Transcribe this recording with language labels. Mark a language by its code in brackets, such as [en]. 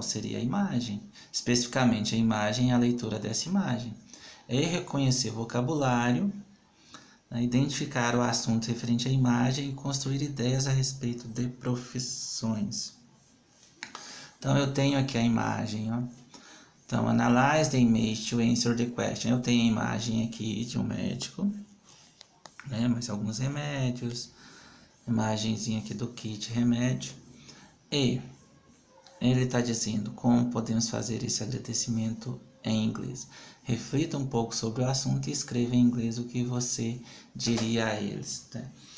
[pt] Seria a imagem. Especificamente, a imagem e a leitura dessa imagem. É reconhecer vocabulário, né? Identificar o assunto referente à imagem e construir ideias a respeito de profissões. Então, eu tenho aqui a imagem, ó. [en] Então, analyze the image to answer the question. [pt] Eu tenho a imagem aqui de um médico, né? Mais alguns remédios. Imagenzinha aqui do kit remédio. E ele está dizendo como podemos fazer esse agradecimento em inglês. Reflita um pouco sobre o assunto e escreva em inglês o que você diria a eles. Né?